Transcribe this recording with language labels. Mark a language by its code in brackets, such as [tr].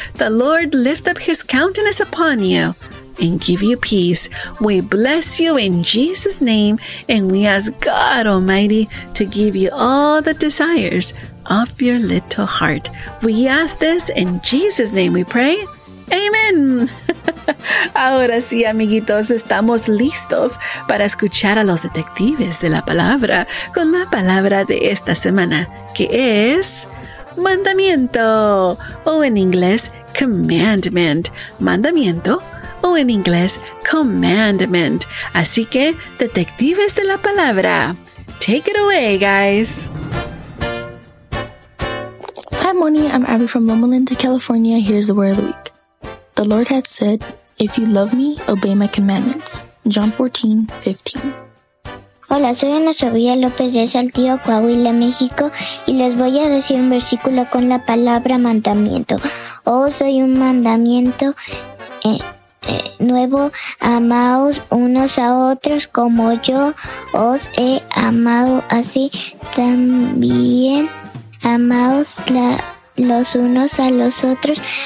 [en] The Lord lift up his countenance upon you and give you peace. We bless you in Jesus' name, and we ask God Almighty to give you all the desires of your little heart. We ask this in Jesus' name we pray. Amen. [es] Ahora sí, amiguitos, estamos listos para escuchar a los detectives de la palabra con la palabra de esta semana, que es mandamiento, o en inglés, commandment. Mandamiento, o en inglés, commandment. Así que, detectives de la palabra, [en] take it away, guys. Hi, Moni. I'm Abby from Loma Linda, California. Here's the word of the week. The Lord had said, if you love me, obey my commandments. John 14:15. [es] Hola, soy Ana Sofía López de Saltillo, Coahuila, México, y les voy a decir un versículo con la palabra mandamiento. Soy un mandamiento nuevo, amaos unos a otros como yo os he amado, así también amaos los unos a los otros.